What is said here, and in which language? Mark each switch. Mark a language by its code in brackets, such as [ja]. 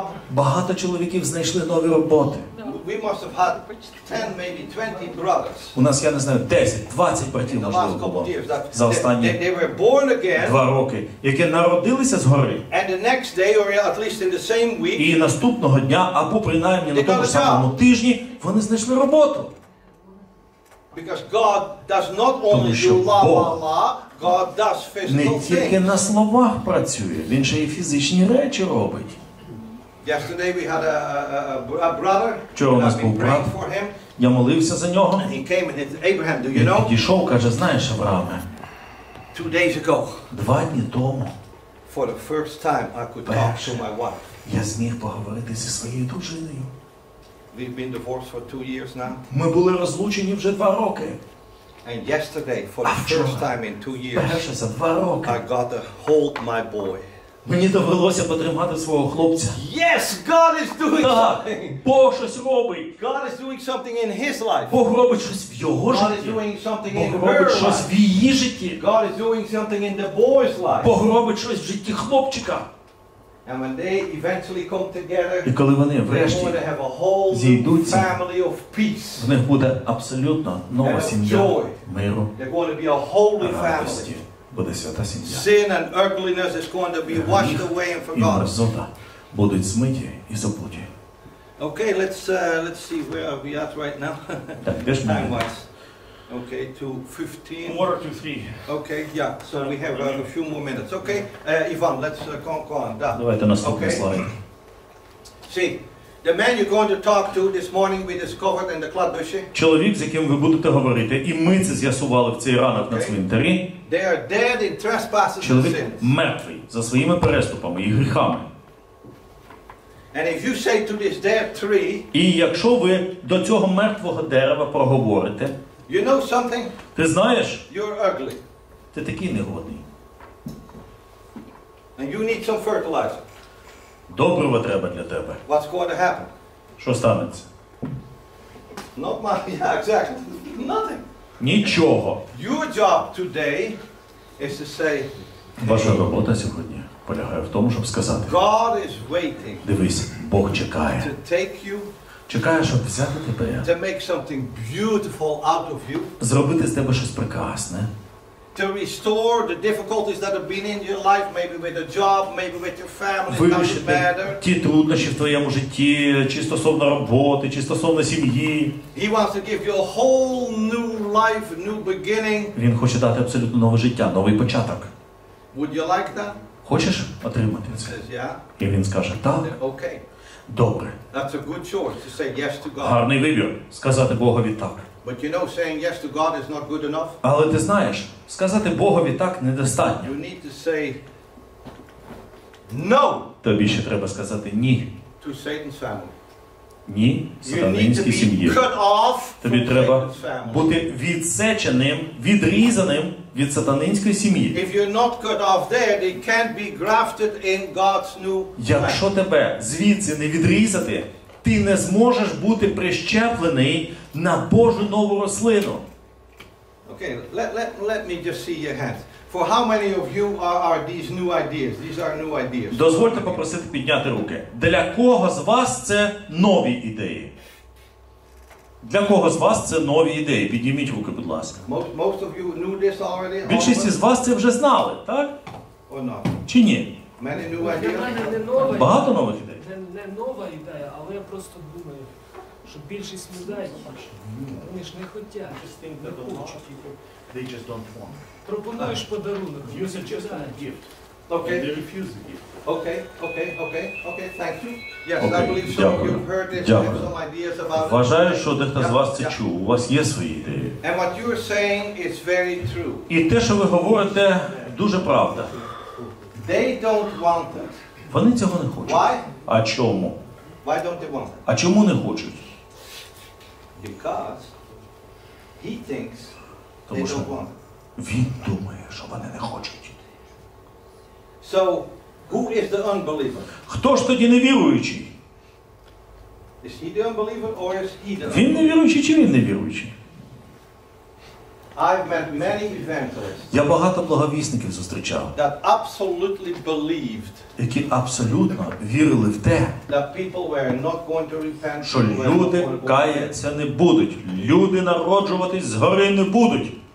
[uk] Багато чоловіків знайшли нові роботи. [en] We must have had 10, maybe 20 brothers. [uk] У нас, я не знаю, 10-20 братів, можливо, було за останні два роки, які народилися згори. [en] And the next day, or at least in the same week, [uk] і наступного дня, або принаймні на тому самому тижні, вони знайшли роботу. [en] Because God does not only do la la la, God does physical things. [uk] Не тільки на словах працює, він ще й фізичні речі робить. [en] Yesterday we had a brother. [uk] Вчора у нас був брат. Я молився за нього. [en] And he came and it's Abraham, do you know? [uk] Він підійшов, каже, знаєш, Авраами. [en] 2 days ago. [uk] 2 дні тому. [en] For the first time I could talk to my wife. [uk] Я зміг поговорити зі своєю дружиною. [en] We've been divorced for 2 years now. [uk] Ми були розлучені вже 2 роки. [en] And yesterday for the first time in 2 years. [uk] Вперше за 2 роки. [en] I got to hold my boy. [uk] Мені довелося потримати свого хлопця. [en] Yes, God is doing something. [uk] Бог щось робить. [en] God is doing something in his life. [uk] Бог робить щось в його житті. [en] God is doing something in her life. [uk] Бог робить щось в її житті. [en] God is doing something in the boy's life. [uk] Бог робить щось в житті хлопчика. [en] And when they eventually come together, [uk] і коли вони врешті зійдуться, [en] family of peace. [uk] В них буде абсолютно нова сім'я миру. [en] They're going to be a holy family. [uk] Буде свята сім'я. [en] Sin and ugliness is going to be washed away and forgotten. [uk] І мерзота будуть змиті і забуті. [en] Okay, let's see where are we at right now. Time wise. Okay, to 15. Quarter to 3. Okay, yeah. So we have a few more minutes. Okay, Ivan, let's go on. Да. [uk] Давайте наступний слайд. [en] See, the man you're going to talk to this morning we discovered in the кладбище. [uk] Чоловік, з яким ви будете говорити, і ми це з'ясували в цей ранок на цвинтарі. [en] They are dead in trespasses. [uk] Чоловік мертвий за своїми переступами і гріхами. [en] And if you say to this dead tree, [uk] і якщо ви до цього мертвого дерева проговорите, [en] you know something? [uk] Ти знаєш? [en] You're ugly. [uk] Ти такий негодний. [en] And you need some fertilizer. [uk] Добрива треба для тебе. [en] What's going to happen? [uk] Що станеться? [en] Not much. Yeah, exactly. Nothing. [uk] Нічого. [en] Your job today is to say. [uk] Ваша робота сьогодні полягає в тому, щоб сказати. [en] God is waiting. [uk] Дивись, Бог чекає. [en] To take you. [uk] Чекає, щоб взяти тебе. [en] To make something beautiful out of you. [uk] Зробити з тебе щось прекрасне. [en] To restore the difficulties that have been in your life, maybe with a job, maybe with your family, [uk] вирішити ті труднощі в твоєму житті, чи стосовно роботи, чи стосовно сім'ї. [en] He wants to give you a whole new life, new beginning. [uk] Він хоче дати абсолютно нове життя, новий початок. [en] Would you like that? [uk] Хочеш отримати це? [en] Says, yeah. [uk] І він скаже, так. [en] Okay. [uk] Добре. [en] That's a good choice to say yes to God. [uk] Гарний вибір сказати Богові так. [en] But you know saying yes to God is not good enough. [uk] Але ти знаєш, сказати Богові так недостатньо. [en] You need to say no. [uk] Тобі ще треба сказати ні. [en] To Satan's family. [uk] Ні, сатанинській сім'ї. [en] Cut off. [uk] Тобі треба бути відсеченим, відрізаним від сатанинської сім'ї. [en] If you're not cut off there, they can't be grafted in God's new family. [uk] Якщо тебе звідси не відрізати, ти не зможеш бути прищеплений на Божу нову рослину. [en] Okay, let me just see your hands. For how many of you are these new ideas? These are new ideas. [uk] Дозвольте попросити підняти руки. Для кого з вас це нові ідеї? Для кого з вас це нові ідеї? Підніміть руки, будь ласка. [en] Most of you knew this already? [uk] Більшість з вас це вже знали, так? [en] Or not? [uk] Чи ні? [en] Many new ideas. [uk] Багато нових ідей. Не нова ідея, але я просто думаю, що більшість людей, вони ж не хочуть, не хочуть. [en] They just don't want. [uk] Пропонуєш подарунок. [en] You suggest a gift. Okay. They refuse the gift. Okay, thank you. Yes, okay. I believe some of you have heard this. Have some ideas about it. [uk] Вважаю, що дехто з вас це чув. У вас є свої ідеї. [en] And what you are saying is very true. [uk] І те, що ви говорите, дуже правда. [en] They don't want it. [uk] Вони цього не хочуть. [en] Why? [uk] А чому? [en] Why don't they want it? [uk] А чому не хочуть? [en] Because he thinks they don't want it. [uk] Він думає, що вони не хочуть. [en] So, who is the unbeliever? [uk] Хто ж тоді невіруючий? [en] Is he the unbeliever or is he the unbeliever? [uk] Він невіруючий чи він невіруючий? [en] I've met many evangelists. [uk] Я багато благовісників зустрічав. [en] That absolutely believed. [uk] Які абсолютно вірили в те, [en] that people were not going to repent. [uk] Що люди каятися не будуть. Люди народжуватись згори не будуть.